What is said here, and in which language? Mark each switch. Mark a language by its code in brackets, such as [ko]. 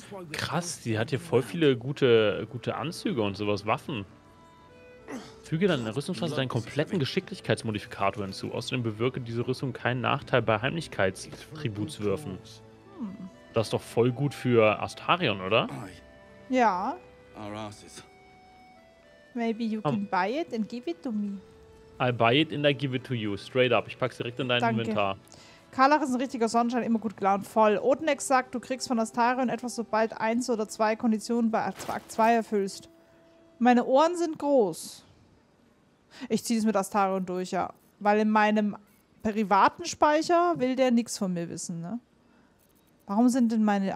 [de] Krass, die hat hier voll viele gute Anzüge und sowas, Waffen. Füge dann in der Rüstungsphase deinen kompletten Geschicklichkeitsmodifikator hinzu. Außerdem bewirke diese Rüstung keinen Nachteil bei Heimlichkeitstributswürfen. Das ist doch voll gut für Astarion, oder? Ja. [en] Maybe you can buy it and give it to me. I'll buy it and I give it to you. Straight up. [de] Ich pack's direkt in dein Inventar. Carlach ist ein richtiger Sonnenschein, immer gut gelaunt, voll. Odenex sagt, du kriegst von Astarion etwas, sobald eins oder zwei Konditionen bei Akt 2 erfüllst. Meine Ohren sind groß. Ich zieh das mit Astarion durch, ja. Weil in meinem privaten Speicher will der nichts von mir wissen, ne? Warum sind denn meine...